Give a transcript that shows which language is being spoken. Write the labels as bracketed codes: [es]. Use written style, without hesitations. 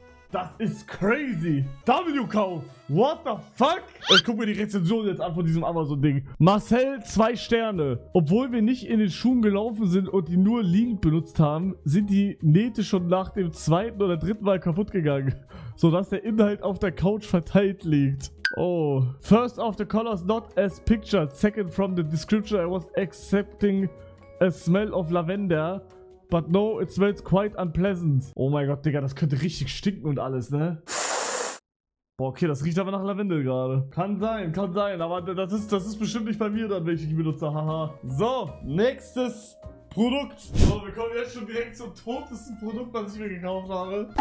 [de] Das ist crazy. W-Kauf. [en] What the fuck? [de] Ich guck mir die Rezension jetzt an von diesem Amazon-Ding. Marcel, 2 Sterne. Obwohl wir nicht in den Schuhen gelaufen sind und die nur liegend benutzt haben, sind die Nähte schon nach dem 2. oder 3. Mal kaputt gegangen. Sodass der Inhalt auf der Couch verteilt liegt. Oh. [en] First of the colors not as pictured. Second from the description I was accepting a smell of lavender. But no, it smells quite unpleasant. [de] Oh mein Gott, Digga, das könnte richtig stinken und alles, ne? Boah, okay, das riecht aber nach Lavendel gerade. Kann sein. Aber das ist bestimmt nicht bei mir dann, wenn ich die benutze, haha. So, nächstes Produkt. So, wir kommen jetzt schon direkt zum totesten Produkt, was ich mir gekauft habe.